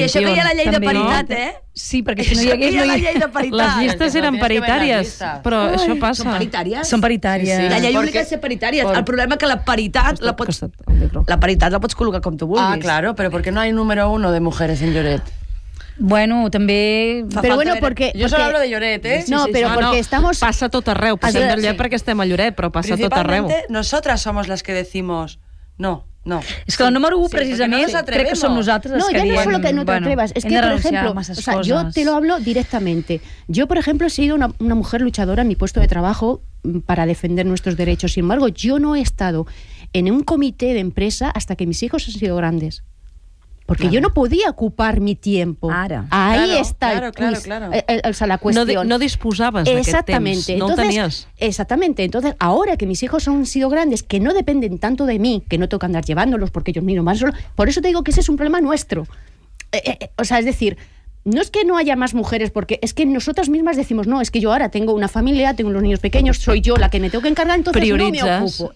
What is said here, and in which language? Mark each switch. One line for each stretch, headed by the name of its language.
Catalan: I això que hi ha la llei de paritat, Sí, perquè si no hi hagués... Això que hi ha la llei de paritat. Les llistes eren paritàries, però això passa. Són paritàries? Són paritàries. La llei obliga a ser paritària. El problema és que la paritat la pots... La paritat la pots col·locar com tu vulguis.
Spanish: Ah, claro,
Catalan: però per què no hi ha número 1
Spanish: de mujeres en
Catalan: Lloret? Bueno, també... Jo
Spanish: solo hablo de Lloret, ¿eh?
Catalan: No, però perquè
Spanish: estamos...
Catalan: Passa tot arreu. Passem de Lloret perquè estem a Lloret, però passa tot arreu.
Spanish: Principalmente, nosotras somos las que decimos... No.
Catalan: És que el número 1, precisament, crec que som nosaltres els que diem... No, ja no solo que no t'atreves, és que, per exemple, jo
Spanish: te lo hablo directamente.
Catalan: Jo, per exemple,
Spanish: he sido una mujer luchadora en mi puesto de trabajo para defender nuestros derechos. Sin embargo, yo no he estado en un comité de empresa hasta que mis hijos han sido grandes. Porque yo no podía ocupar mi tiempo. Ahí está la cuestión.
Catalan: No disposaves d'aquest temps, no el tenies.
Spanish: Exactamente. Entonces, ahora que mis hijos han sido grandes, que no dependen tanto de mí, que no tengo que andar llevándolos porque ellos miran más solo, por eso te digo que ese es un problema nuestro. Es decir, no es que no haya más mujeres, porque es que nosotras mismas decimos, no, es que yo ahora tengo una familia, tengo unos niños pequeños, soy yo la que me tengo que encargar, entonces no me ocupo.